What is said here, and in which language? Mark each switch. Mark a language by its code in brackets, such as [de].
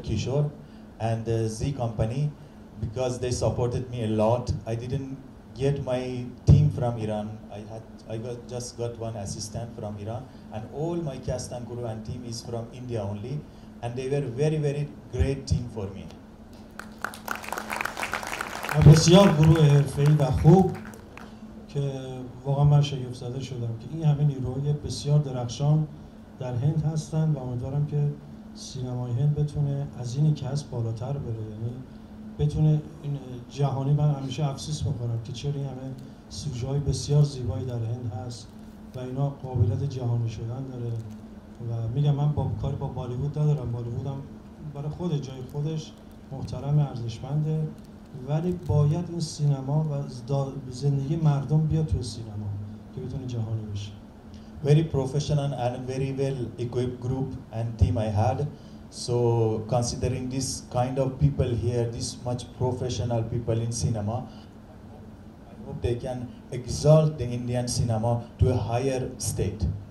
[en] Kishore and Zee Company because they supported me a lot. I didn't get my team from Iran. I just got one assistant from Iran and all my cast and crew and team is from India only and they were very very great team for me. [fa] بسیار گروه حرفه‌ای و خوب که واقعا من شگفت زده شدم که این همه نیروهای بسیار درخشان در هند هستن و امیدوارم که سینمای هند بتونه از اینی که هست بالاتر بره، یعنی بتونه این جهانی. من همیشه افسوس می‌خورم که چرا این همه سوژه‌های بسیار زیبایی در هند هست و اینا قابلیت جهانی شدن داره. و میگم من با کاری با بالیوود ندارم، بالیوود هم برای خود جای خودش محترم ارزشمنده، ولی باید این سینما و زندگی مردم بیا تو سینما که بتونه جهانی بشه. [en] Very professional and very well equipped group and team I had. So considering this kind of people here, this much professional people in cinema, I hope they can exalt the Indian cinema to a higher state.